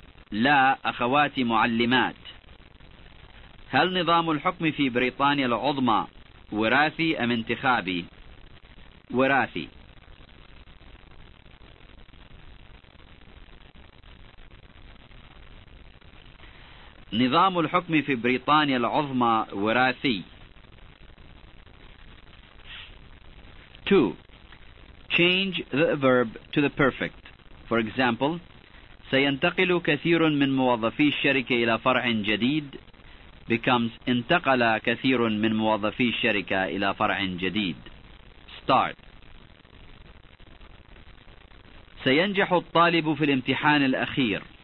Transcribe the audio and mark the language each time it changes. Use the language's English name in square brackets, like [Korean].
[Arabic] لا، أخواتي معلمات. هل نظام الحكم في بريطانيا العظمى وراثي أم انتخابي؟ وراثي. نظام الحكم في بريطانيا العظمى وراثي. [English] 2. Change the verb to the perfect. For example, [Arabic] سينتقل كثير من موظفي الشركة إلى فرع جديد. [English] Becomes [Arabic] انتقل كثير من موظفي الشركة إلى فرع جديد. [English] Start. [Arabic] سينجح الطالب في الامتحان الأخير.